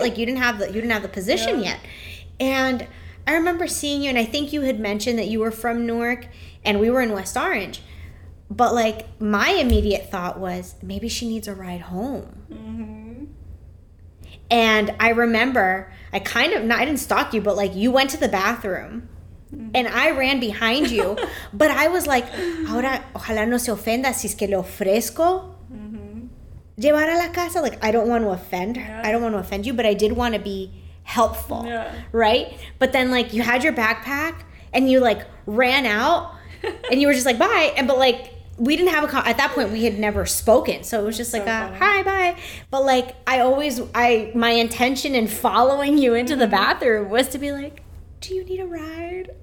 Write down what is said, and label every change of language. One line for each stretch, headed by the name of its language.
English: Like you didn't have the position yet. And I remember seeing you, and I think you had mentioned that you were from Newark and we were in West Orange. But like my immediate thought was, maybe she needs a ride home. And I remember I didn't stalk you, but like you went to the bathroom and I ran behind you. But I was like,
Spanish: ahora ojalá no se ofenda si es que le ofrezco llevar a la casa.
English: Like, I don't want to offend her. I don't want to offend you, but I did want to be helpful, right? But then like you had your backpack and you like ran out and you were just like, bye. And but like we didn't have a call at that point, we had never spoken, so it was just like, so hi, bye. But like I my intention in following you into the bathroom was to be like, do you need a ride?